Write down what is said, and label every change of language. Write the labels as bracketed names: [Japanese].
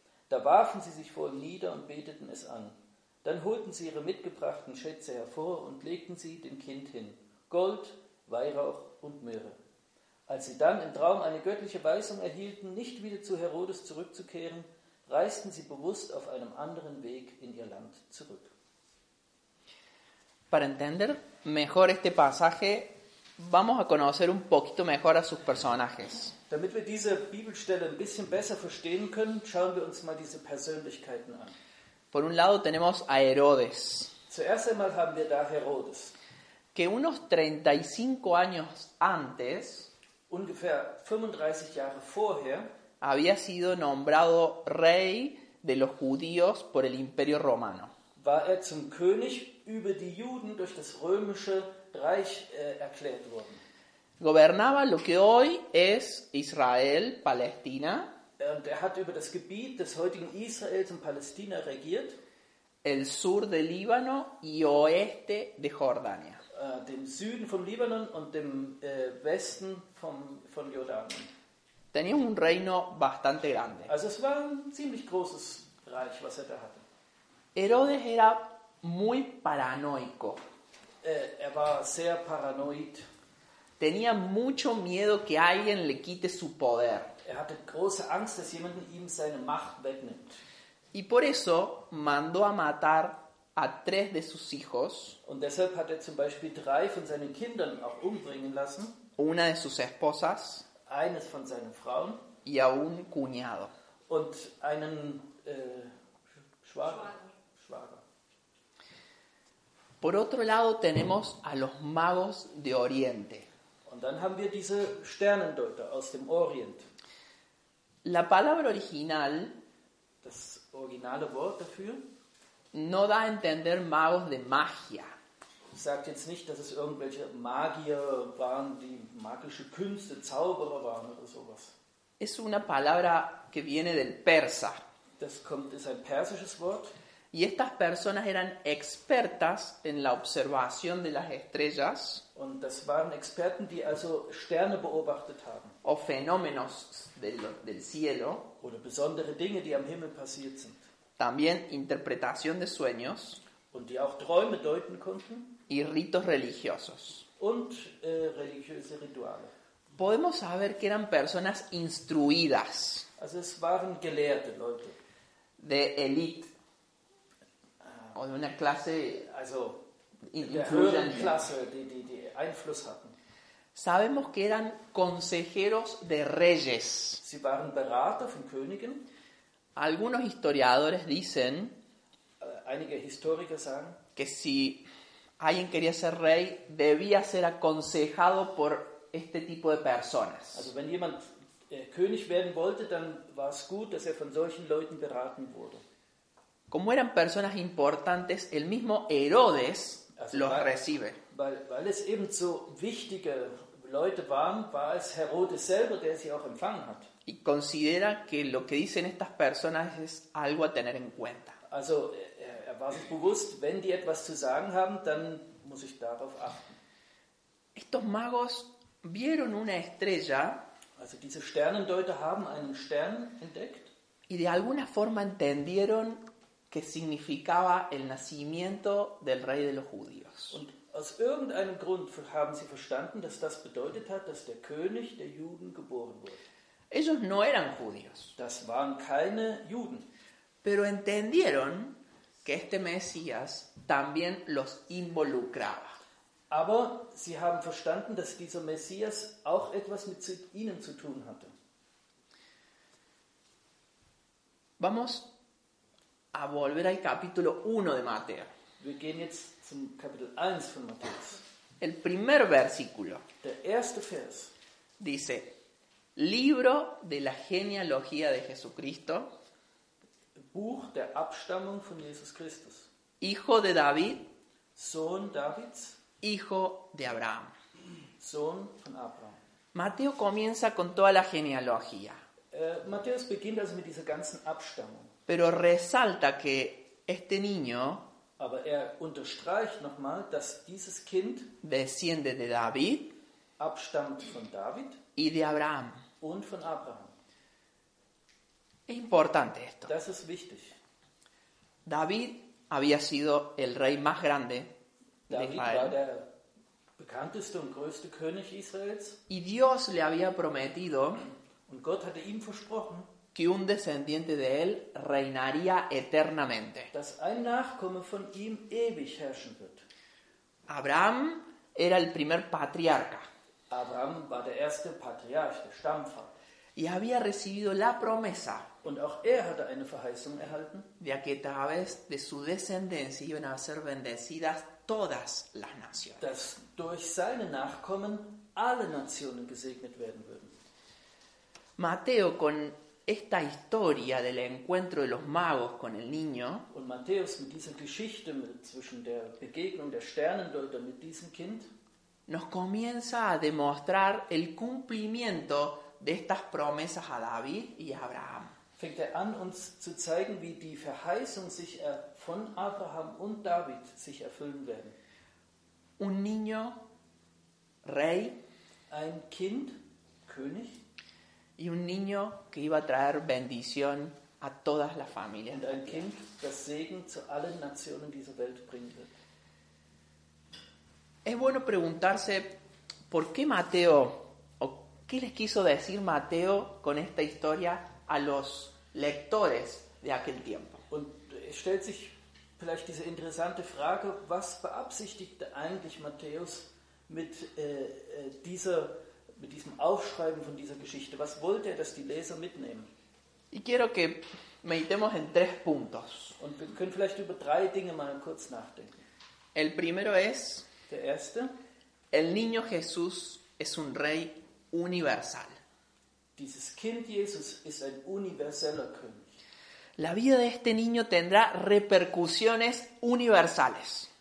[German] Da warfen sie sich vor ihm nieder und beteten es an. Dann holten sie ihre mitgebrachten Schätze hervor und legten sie dem Kind hin. Gold, Weihrauch und Myrrhe. Als sie dann im Traum eine göttliche Weisung erhielten, nicht wieder zu Herodes zurückzukehren, reisten sie bewusst auf einem anderen Weg in ihr Land zurück. [Spanish] Para entender mejor este pasaje, vamos a conocer un poquito mejor a sus personajes. [German] Damit wir diese Bibelstelle ein bisschen besser verstehen können, schauen wir uns mal diese Persönlichkeiten an. [Spanish] Por un lado tenemos a Herodes. [German] Zuerst einmal haben wir da Herodes. [Spanish] Que unos 35 años antes, [German] ungefähr 35 Jahre vorher, [Spanish] había sido nombrado rey de los judíos por el Imperio Romano. [German] War er zum König über die Juden durch das römische Reich erklärt worden. [Spanish] Gobernaba lo que hoy es Israel, Palestina. [German] Und er hat über das Gebiet des heutigen Israels und Palästina regiert. [Spanish] El sur de Líbano y oeste de Jordania. [German] dem Süden vom Libanon und dem Westen von Jordanien. [Spanish] Tenía un reino bastante grande. [German] Also es war ein ziemlich großes Reich, was er da hatte. [Spanish] Herodes era muy paranoico. [German] Er war sehr paranoid. [Spanish] Tenía mucho miedo que alguien le quite su poder. [German] Er hatte große Angst, dass jemand ihm seine Macht wegnimmt. [Spanish] Y por eso mandó a matar a tres de sus hijos. [German] Und deshalb hat er zum Beispiel drei von seinen Kindern auch umbringen lassen. [Spanish] Una de sus esposas. [German] Eines von seinen Frauen. [Spanish] Y a un cuñado. [German] Und einen Schwager. [Spanish] Por otro lado tenemos a los magos de Oriente. [German] Und dann haben wir diese Sternendeuter aus dem Orient. [Spanish] La palabra original, [German] das originale Wort dafür, [Spanish] no da a entender magos de magia. [German] Sagt jetzt nicht, dass es irgendwelche Magier waren, die magische Künste, Zauberer waren oder sowas. [Spanish] Es una palabra que viene del persa. [German] Das kommt, ist ein persisches Wort. [Spanish] Y estas personas eran expertas en la observación de las estrellas. [German] Und das waren Experten, die also Sterne beobachtet haben. [Spanish] O fenómenos del cielo. [German] Oder besondere Dinge, die am Himmel passiert sind. [Spanish] También interpretación de sueños. [German] Und die auch Träume deuten konnten. [Spanish] Y ritos religiosos. [German] Und religiöse Rituale. [Spanish] Podemos saber que eran personas instruidas. [German] Also es waren gelehrte Leute. [Spanish] De élite. O de una clase, also, influyente. [German] Der Klasse, die Einfluss hatten. [Spanish] Sabemos que eran consejeros de reyes. [German] Sie waren Berater von Königen. [Spanish] Algunos historiadores dicen, [German] einige Historiker sagen, [Spanish] que si alguien quería ser rey, debía ser aconsejado por este tipo de personas. [German] Also, wenn jemand König werden wollte, dann war es gut, dass er von solchen Leuten beraten wurde. [Spanish] Como eran personas importantes, el mismo Herodes los recibe. [German] Weil es eben so wichtige Leute waren, war es Herodes selber, der sie auch empfangen hat. [Spanish] Y considera que lo que dicen estas personas es algo a tener en cuenta. [German] Also, er war sich bewusst, wenn die etwas zu sagen haben, dann muss ich darauf achten. [Spanish] Estos magos vieron una estrella. [German] Also diese Sternendeuter haben einen Stern entdeckt. [Spanish] Y de alguna forma entendieron que significaba el nacimiento del rey de los judíos. [German] Und aus irgendeinem Grund haben sie verstanden, dass das bedeutet hat, dass der König der Juden geboren wurde. [Spanish] Ellos no eran judíos. [German] Das waren keine Juden. [Spanish] Pero entendieron que este Mesías también los involucraba. [German] Aber sie haben verstanden, dass dieser Messias auch etwas mit ihnen zu tun hatte. [Spanish] Vamos a volver al capítulo 1 de Mateo. [German] Wir gehen jetzt zum Kapitel 1 von Matthäus. [Spanish] El primer versículo. [German] Der erste Vers. [Spanish] Dice, Libro de la genealogía de Jesucristo. [German] Buch der Abstammung von Jesus Christus. [Spanish] Hijo de David. [German] Sohn Davids. [Spanish] Hijo de Abraham. [German] Sohn von Abraham. [Spanish] Mateo comienza con toda la genealogía. [German] Matthäus beginnt also mit dieser ganzen Abstammung. [Spanish] Pero resalta que este niño, [German] aber er unterstreicht nochmal, dass dieses Kind [Spanish] desciende de David, [German] abstammt von David [Spanish] y de Abraham. [German] Und von Abraham. [Spanish] Es importante esto. [German] Das ist wichtig. [Spanish] David había sido el rey más grande de Israel. [German] David war der bekannteste und größte König Israels. [Spanish] Y Dios le había prometido, [German] und Gott hatte ihm versprochen, [Spanish] que un descendiente de él reinaría eternamente. [German] Dass ein Nachkomme von ihm ewig herrschen wird. [Spanish] Abraham era el primer patriarca. [German] Abraham war der erste Patriarch, der Stammvater. [Spanish] Y había recibido la promesa. [German] Und auch er hatte eine Verheißung erhalten. [Spanish] De que a través de su descendencia iban a ser bendecidas todas las naciones. [German] Dass durch seine Nachkommen alle Nationen gesegnet werden würden. [Spanish] Mateo con esta historia del encuentro de los magos con el niño. [German] Und Matthäus mit dieser Geschichte zwischen der Begegnung der Sternendeuter mit diesem Kind. [Spanish] Nos comienza a demostrar el cumplimiento de estas promesas a David y a Abraham. [German] Fängt er an, uns zu zeigen, wie die Verheißung sich von Abraham und David sich erfüllen werden. [Spanish] un niño rey, [German] ein Kind König, [Spanish] y un niño que iba a traer bendición a todas las familias. [German] Und ein Kind, das Segen zu allen Nationen dieser Welt bringen wird. [Spanish] Es bueno preguntarse por qué Mateo, o qué les quiso decir Mateo con esta historia a los lectores de aquel tiempo. [German] Und es stellt sich vielleicht diese interessante Frage, was beabsichtigte eigentlich Matthäus mit dieser, mit diesem Aufschreiben von dieser Geschichte? Was wollte er, dass die Leser mitnehmen? [Spanish] Y quiero que meditemos en tres puntos. [German] Und wir können vielleicht über drei Dinge mal kurz nachdenken. [Spanish] El primero es, [German] der erste, [Spanish] el niño Jesús es un rey universal. [German] Dieses Kind Jesus ist ein universeller König. [Spanish] La vida de este niño tendrá repercusiones universales.